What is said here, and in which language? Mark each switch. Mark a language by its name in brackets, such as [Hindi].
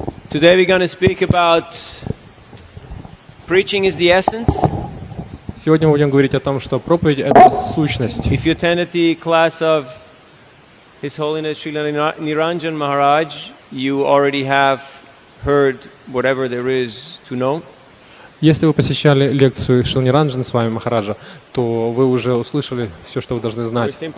[English] Today we're going to speak about preaching is the essence. [Russian] Сегодня мы будем говорить о том, что проповедь это сущность. [English] If you attended the class of His Holiness Srila Niranjan Maharaj, you already have heard whatever there is to know. [Russian] Если вы посещали лекцию Шрилы Ниранджан с вами Махараджа, то вы уже услышали все, что вы должны знать.